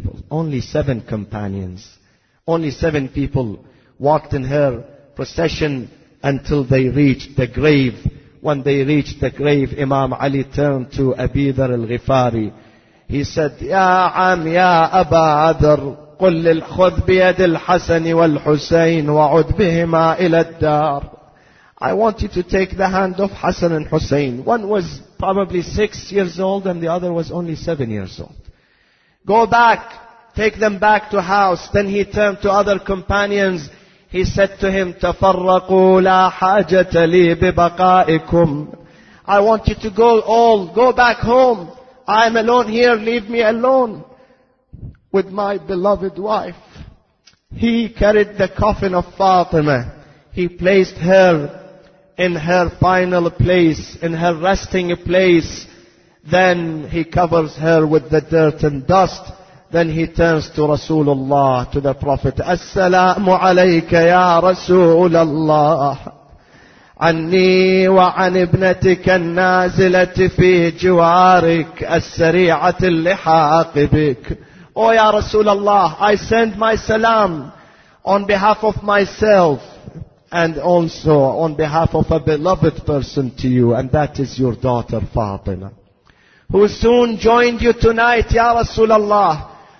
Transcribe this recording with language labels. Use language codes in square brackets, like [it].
[en] Only seven companions. Only seven people walked in her procession until they reached the grave. When they reached the grave, Imam Ali turned to Abi Dhar al-Ghifari. He said, [ar] يا عم يا أبا عذر قل خذ بيد الحسن والحسين وعد بهما إلى الدار. [en] I want you to take the hand of Hassan and Hussein. One was probably 6 years old and the other was only 7 years old. Go back, take them back to house. Then he turned to other companions. He said to him, [ar] تفرقوا لا حاجة لي ببقائكم. [en] I want you to go back home. I'm alone here, leave me alone with my beloved wife. He carried the coffin of Fatima. He placed her in her final place, in her resting place. Then he covers her with the dirt and dust. Then he turns to Rasulullah, to the Prophet. [ar] As-salamu alayka ya Rasulullah. عني وعن ابنتك النازلة في جوارك السريعة اللحاق بك. [en] O ya Rasulullah, I send my salam on behalf of myself and also on behalf of a beloved person to you, and that is your daughter Fatima, who soon joined you tonight, ya Rasulullah.